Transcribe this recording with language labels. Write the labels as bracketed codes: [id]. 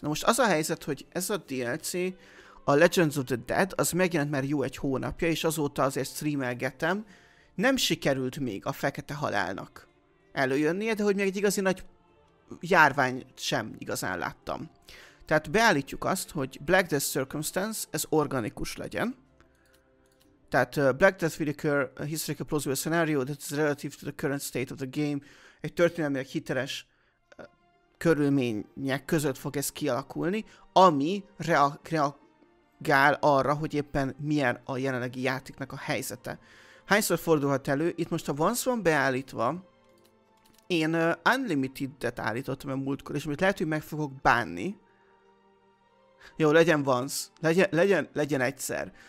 [hu] Na most az a helyzet, hogy ez a DLC, a Legends of the Dead, az megjelent már jó egy hónapja, és azóta azért streamelgetem, nem sikerült még a Fekete Halálnak előjönnie, de hogy még egy igazi nagy járvány sem igazán láttam. Tehát beállítjuk azt, hogy Black Death Circumstance, ez organikus legyen. Tehát [en] Black Death will occur, a historical plausible scenario that is relative to the current state of the game. [hu] Egy történelmileg hiteles körülmények között fog ez kialakulni, ami reagál arra, hogy éppen milyen a jelenlegi játéknak a helyzete. Hányszor fordulhat elő? Itt most, ha once van beállítva, én Unlimited-et állítottam a múltkor, és amit lehet, hogy meg fogok bánni. Jó, legyen once. Legyen egyszer.